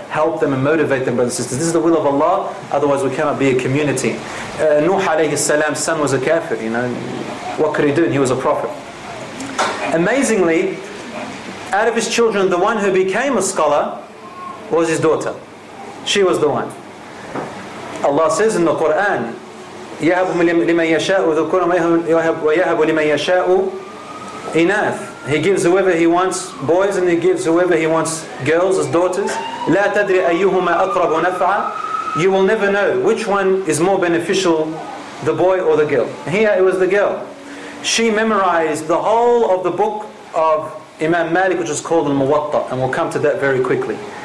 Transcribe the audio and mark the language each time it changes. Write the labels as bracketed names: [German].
[English] Help them and motivate them, brothers and sisters. This is the will of Allah, otherwise we cannot be a community. Nuh alayhi salam's son was a kafir, What could he do? He was a prophet. Amazingly, out of his children, the one who became a scholar was his daughter. She was the one. Allah says in the Quran, [Arabic] يَهَبُ لِمَنْ يَشَاءُ وَيَهَبُ لِمَنْ يَشَاءُ إِنَاثُ. [English] He gives whoever he wants boys and he gives whoever he wants girls as daughters. [Arabic] لَا تَدْرِ أَيُّهُمَا أَقْرَبُ نَفْعًا. [English] You will never know which one is more beneficial, the boy or the girl. Here it was the girl. She memorized the whole of the book of Imam Malik, which is called Al-Muwatta, and we'll come to that very quickly.